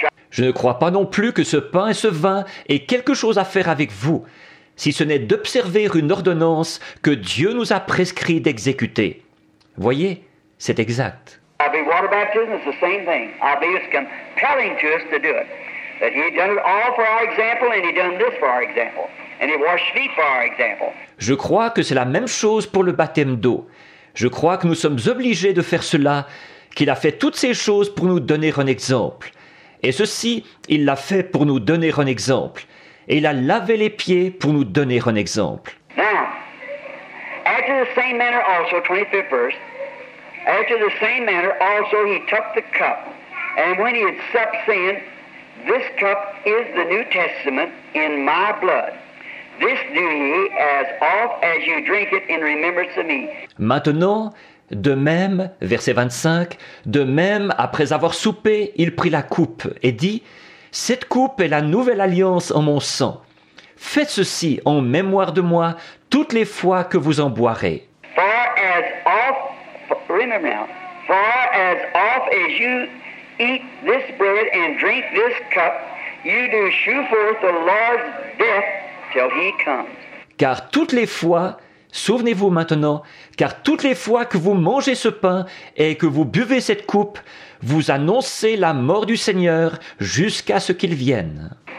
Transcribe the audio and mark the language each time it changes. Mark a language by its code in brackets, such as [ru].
[fr] Je ne crois pas non plus que ce pain et ce vin aient quelque chose à faire avec vous, si ce n'est d'observer une ordonnance que Dieu nous a prescrit d'exécuter. Voyez, c'est exact. [en] I believe water baptism is the same thing. I believe it's compelling to us to do it. That he had done it all for our example, and he had done this for our example. And he washed feet for our example. [fr] Je crois que c'est la même chose pour le baptême d'eau. Je crois que nous sommes obligés de faire cela, qu'il a fait toutes ces choses pour nous donner un exemple. Et ceci, il l'a fait pour nous donner un exemple. Et il a lavé les pieds pour nous donner un exemple. [en] Now, after the same manner also, 25th verse, after the same manner also he took the cup, and when he had supped, saying, this cup is the New Testament in my blood. This do ye as oft as you drink it in remembrance of me. [fr] Maintenant, de même, verset 25, de même, après avoir soupé, il prit la coupe et dit, cette coupe est la nouvelle alliance en mon sang. Faites ceci en mémoire de moi toutes les fois que vous en boirez. [en] For as oft, remember now, for as oft as you eat this bread and drink this cup, you do shew forth the Lord's death till he comes. [fr] Car toutes les fois, souvenez-vous maintenant, car toutes les fois que vous mangez ce pain et que vous buvez cette coupe, vous annoncez la mort du Seigneur jusqu'à ce qu'il vienne.